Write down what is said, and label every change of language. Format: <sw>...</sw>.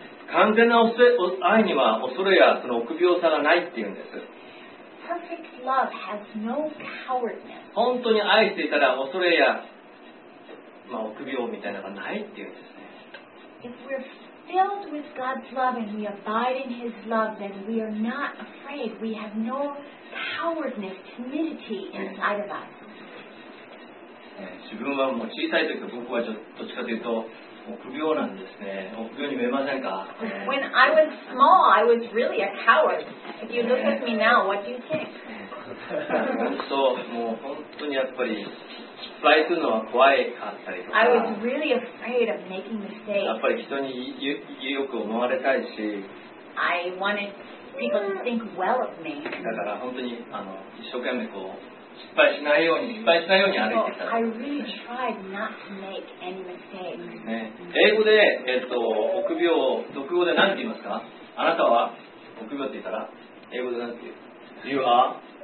<ja>完全な愛には恐れやその臆病さがないっていうんです。</ja> <en>Perfect love has no cowardness.</en> <ja>本当に愛していたら恐れや、まあ、臆病みたいなのがないっていうんですね。</ja> <en>If we're filled with God's love and we abide in His love, then we are not afraid. We have no cowardness, timidity inside of us.</en> <ja>自分はもう小さい時は僕はちょっとどっちかというと臆病なんですね。臆病に見えませんか?</ja> <en>When I was small, I was really a coward. If you look at me now, what do you think?</en> <ja>本当、もう本当にやっぱり失敗するのは怖いかったりとか。</ja> <en>I was really afraid of making mistakes.</en> <ja>やっぱり人に良く思われたいし。</ja> <en>I wanted people to think well of me.</en> <ja>だから本当に一生懸命こう失敗しないように失敗しないように歩いてた。</ja> <en>I really tried not to make any mistakes.</en> <ja>英語で、臆病を俗語で何て言いますか？あなたは臆病って言ったら英語で何て言う ？</ja> <en>You are</en>